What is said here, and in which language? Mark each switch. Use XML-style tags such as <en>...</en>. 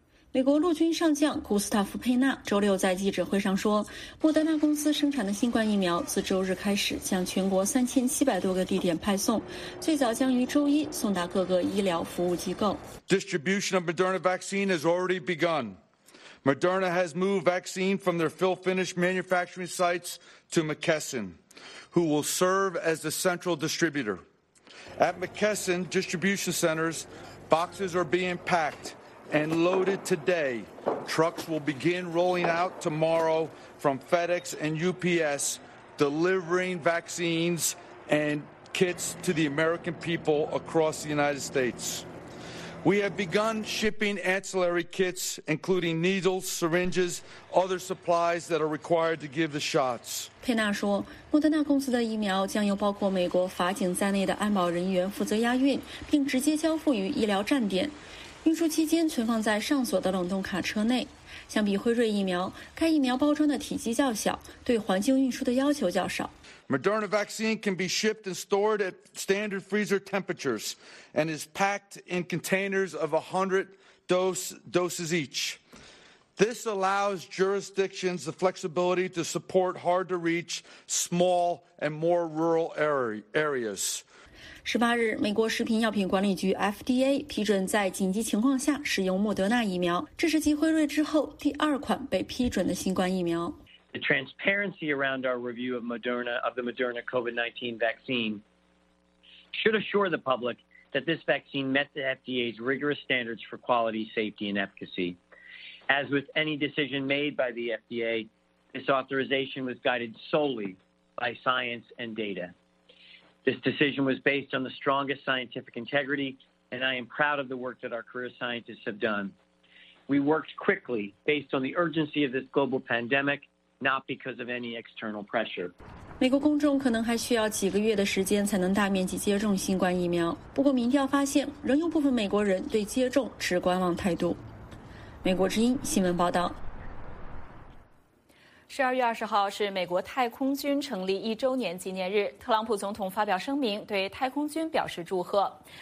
<zh>美国陆军上将古斯塔夫·佩纳周六在记者会上说，莫德纳公司生产的新冠疫苗自周日开始向全国3700多个地点派送，最早将于周一送达各个医疗服务机构。</zh> <en>Distribution of Moderna vaccine has already begun. Moderna has moved vaccine from their fill-finish manufacturing sites to McKesson, who will serve as the central distributor. At McKesson distribution centers, boxes are being packed. And loaded today, trucks will begin rolling out tomorrow from FedEx and UPS, delivering vaccines and kits to the American people across the United States. We have begun shipping ancillary kits, including needles, syringes, other supplies that are required to give the shots.</en> <zh>佩纳说，莫德纳公司的疫苗将由包括美国法警在内的安保人员负责押运，并直接交付于医疗站点。运输期间存放在上锁的冷冻卡车内。相比辉瑞疫苗，该疫苗包装的体积较小，对环境运输的要求较少。</zh> <en>Moderna vaccine can be shipped and stored at standard freezer temperatures and is packed in containers of 100 doses each. This allows jurisdictions the flexibility to support hard-to-reach small and more rural areas.</en> <zh>18日，美国食品药品管理局 FDA 批准在紧急情况下使用莫德纳疫苗，这是继辉瑞之后第二款被批准的新冠疫苗。</zh> <en>The transparency around our review of Moderna of the Moderna COVID-19 vaccine should assure the public that this vaccine met the FDA's rigorous standards for quality, safety, and efficacy. As with any decision made by the FDA, this authorization was guided solely by science and data. This decision was based on the strongest scientific integrity, and I am proud of the work that our career scientists have done. We worked quickly based on the urgency of this global pandemic, not because of any external pressure.</en> <zh>美国公众可能还需要几个月的时间才能大面积接种新冠疫苗。不过民调发现，仍有部分美国人对接种持观望态度。美国之音新闻报道。 12月20号是美国太空军成立一周年纪念日，特朗普总统发表声明对太空军表示祝贺。</zh>